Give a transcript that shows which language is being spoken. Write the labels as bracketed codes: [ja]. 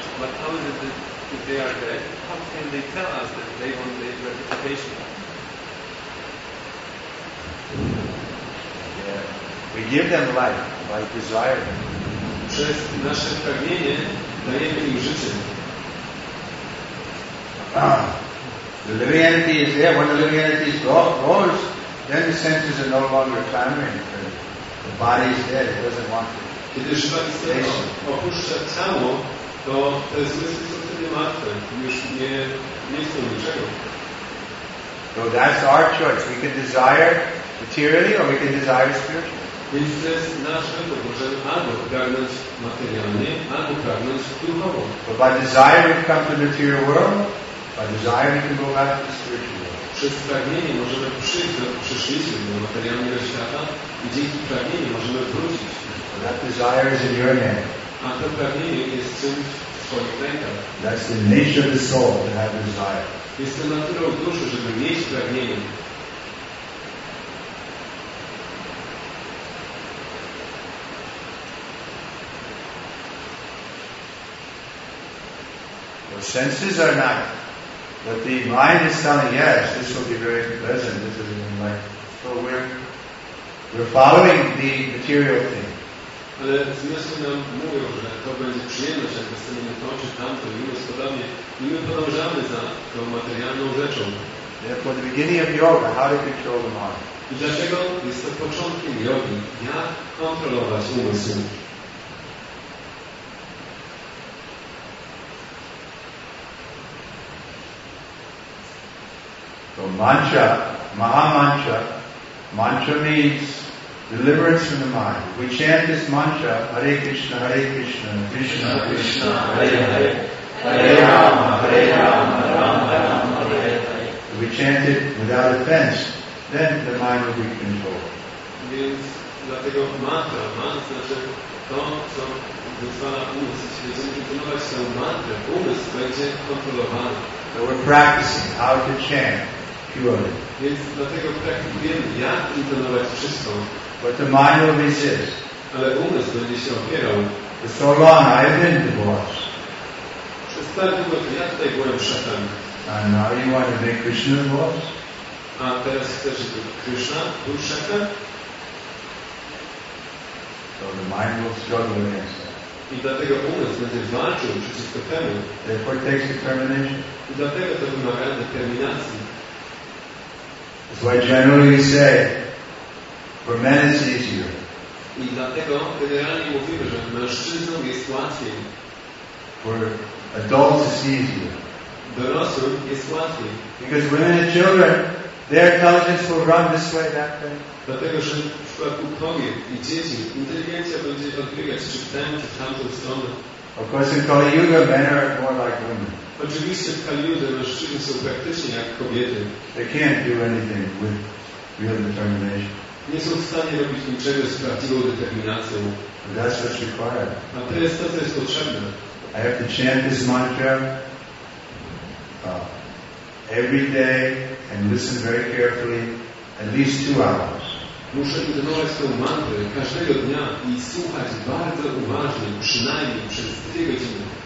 [en] But how is it that if they are dead, how can they tell us that they want the gratification? Yeah. We give them life by desire. [pl] Przez nasze pragnienie dajemy im życie. [en] The living entity is there. When the living entity is goes, then the senses are no longer clamoring. The body is dead. It doesn't want to. [pl] Kiedy żywa istota opuszcza ciało, to te zmysły są wtedy martwe. Już nie chcą niczego. [en] So that's our choice. We can desire materially or we can desire spiritually. [pl] Więc to jest nasz wybór. Możemy albo pragnąć materialnie, albo pragnąć duchowo. [en] But by desire we've come to the material world. By desire we can go back to the spiritual world. [pl] Przez pragnienie możemy przyszliśmy do materialnego świata i dzięki pragnieniu możemy wrócić. [en] That desire is in your hand. [pl] A to pragnienie jest czymś w swoich rękach. [en] That's the nature of the soul to have desire. [pl] Jest to natura duszy, żeby mieć pragnienie. [en] Your senses are not. But the mind is telling, yes, this will be very pleasant, this is in life. So we're following the material thing. [pl] Ale zmysły nam mówią, że to będzie przyjemność, jak dostaniemy to czy tamto, i jest podobnie. I my podążamy za tą materialną rzeczą. [en] Therefore, the beginning of yoga, how to control the mind. [pl] I dlaczego jest to początkiem jogi? Jak kontrolować umysły? [en] So mantra, maha mantra, mantra means deliverance from the mind. We chant this mantra, Hare Krishna, Hare Krishna, Krishna, Krishna, Krishna, Hare Hare, Hare Rama, Hare Rama, Rama Rama, Hare Hare. We chant it without offense, then the mind will be controlled. [pl] Więc dlatego mantra, mantra, że to, co wyzwala umysł i świadomość, kontrolować tę mantrę, umysł będzie kontrolowany. [en] So we're practicing how to chant purely. [pl] Więc dlatego praktykujemy, jak intonować czysto. [en] But the mind will resist. [pl] Ale umysł będzie się opierał. [en] So long, I have been divorced. [pl] Przez tak długo, ja tutaj byłem szefem. [en] And now you want to be Krishna's boss? [pl] A teraz chcesz, żeby Krishna był szefem? [en] So the mind will struggle against that. [pl] I dlatego umysł będzie walczył przeciwko temu. [en] Therefore it takes determination. [pl] I dlatego to wymaga determinacji. [en] That's why generally we say, for men it's easier. [pl] I dlatego generalnie mówimy, że mężczyznom jest łatwiej. [en] For adults it's easier. [pl] Dorosłym jest łatwiej. [en] Because women and children, their intelligence will run this way, that way. [pl] Dlatego, że w przypadku kobiet i dzieci inteligencja będzie odbiegać czy w tę, czy w tamtą stronę. [en] Of course, in Kali Yuga, men are more like women. [pl] Oczywiście w Kali Yuga mężczyźni są praktycznie jak kobiety. [en] They can't do anything with real determination. [pl] Nie są w stanie robić niczego z prawdziwą determinacją. [en] But that's what's required. [pl] A to jest to, co jest potrzebne. [en] I have to chant this mantra every day and listen very carefully. At least 2 hours. [pl] Muszę intonować tę mantrę każdego dnia i słuchać bardzo uważnie, przynajmniej przez 2 godziny.